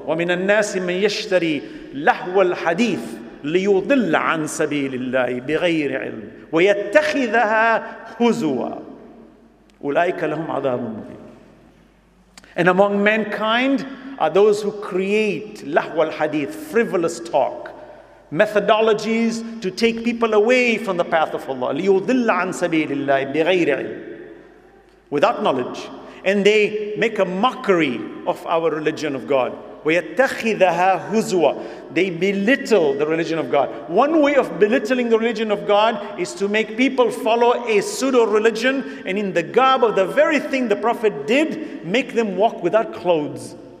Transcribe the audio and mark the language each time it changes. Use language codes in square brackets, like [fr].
[ar] وَمِنَ النَّاسِ مَنْ يَشْتَرِي لَهْوَ الْحَدِيثِ لِيُضِلَّ عَن سَبِيلِ اللَّهِ بِغَيْرِ عِلْمٍ وَيَتَّخِذَهَا هُزُوًا أُولَٰئِكَ لَهُمْ عَذَابٌ مُّهِينٌ. [en] And among mankind are those who create lahwa al-hadith, frivolous talk, methodologies to take people away from the path of Allah. [ar] لِيُضِلَّ عَن سَبِيلِ اللَّهِ بِغَيْرِ عِلْمٍ, [en] without knowledge. And they make a mockery of our religion of God. [ar] وَيَتَّخِذَهَا هُزُوًا. [en] They belittle the religion of God. One way of belittling the religion of God is to make people follow a pseudo-religion, and in the garb of the very thing the Prophet did, make them walk without clothes.